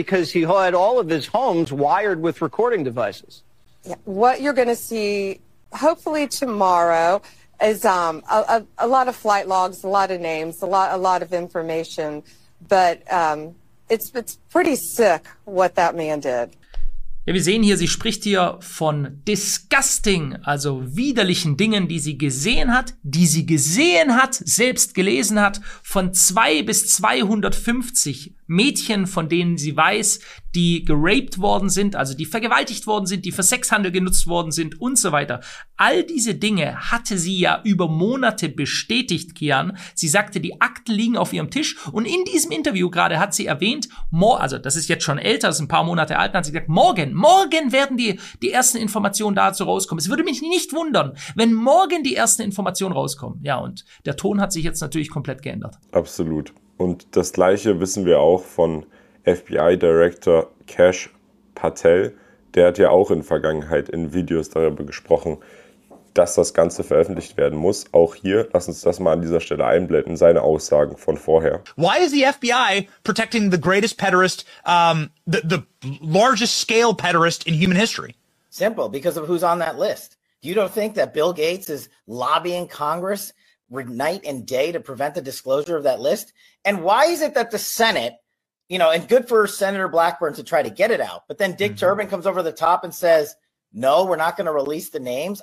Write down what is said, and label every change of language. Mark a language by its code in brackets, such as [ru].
[en] Because he had all of his homes wired with recording devices. Yeah. What you're going to see, hopefully tomorrow, is a lot of flight logs, a lot of names, a lot of information, but... It's pretty sick what that man did. [de] Ja, wir sehen hier, sie spricht hier von disgusting, also widerlichen Dingen, die sie gesehen hat, selbst gelesen hat, von 2 bis 250 Mädchen, von denen sie weiß, die geraped worden sind, also die vergewaltigt worden sind, die für Sexhandel genutzt worden sind und so weiter. All diese Dinge hatte sie ja über Monate bestätigt, Kian. Sie sagte, die Akten liegen auf ihrem Tisch und in diesem Interview gerade hat sie erwähnt, also das ist jetzt schon älter, das ist ein paar Monate alt, dann hat sie gesagt, morgen werden die ersten Informationen dazu rauskommen. Es würde mich nicht wundern, wenn morgen die ersten Informationen rauskommen. Ja, und der Ton hat sich jetzt natürlich komplett geändert. Absolut. Und das Gleiche wissen wir auch von FBI-Director Kash Patel. Der hat ja auch in Vergangenheit in Videos darüber gesprochen, dass das Ganze veröffentlicht werden muss. Auch hier, lass uns das mal an dieser Stelle einblenden, seine Aussagen von vorher. [en] Why is the FBI protecting the greatest pederast, the largest scale pederast in human history? Simple, because of who's on that list. You don't think that Bill Gates is lobbying Congress night and day to prevent the disclosure of that list? And why is it that the Senate, you know, and good for Senator Blackburn to try to get it out, but then Dick Durbin comes over the top and says, no, we're not going to release the names.